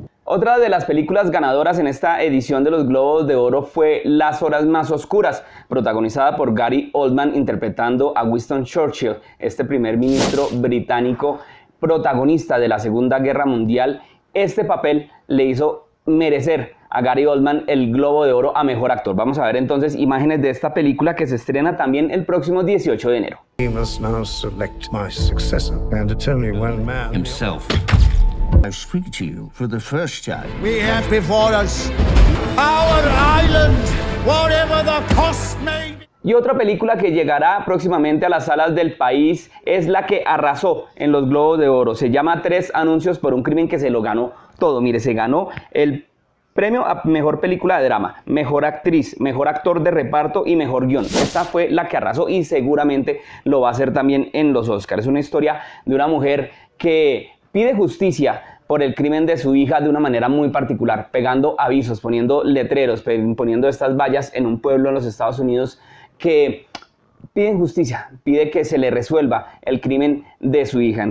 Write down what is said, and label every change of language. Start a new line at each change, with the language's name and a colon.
Spanish: Otra de las películas ganadoras en esta edición de los Globos de Oro fue Las Horas Más Oscuras, protagonizada por Gary Oldman interpretando a Winston Churchill, este primer ministro británico protagonista de la Segunda Guerra Mundial. Este papel le hizo merecer a Gary Oldman el Globo de Oro a Mejor Actor. Vamos a ver entonces imágenes de esta película que se estrena también el próximo 18 de enero.
English: He must now select my successor and it's only one man. Himself. I speak to you for the first time. We have before us our island, whatever the cost may be.
Spanish: Y otra película que llegará próximamente a las salas del país es la que arrasó en los Globos de Oro. Se llama Tres Anuncios por un Crimen que se lo ganó todo. Mire, se ganó el premio a Mejor Película de Drama, Mejor Actriz, Mejor Actor de Reparto y Mejor Guión. Esta fue la que arrasó y seguramente lo va a hacer también en los Oscars. Es una historia de una mujer que pide justicia por el crimen de su hija de una manera muy particular, pegando avisos, poniendo letreros, poniendo estas vallas en un pueblo en los Estados Unidos que piden justicia, pide que se le resuelva el crimen de su hija.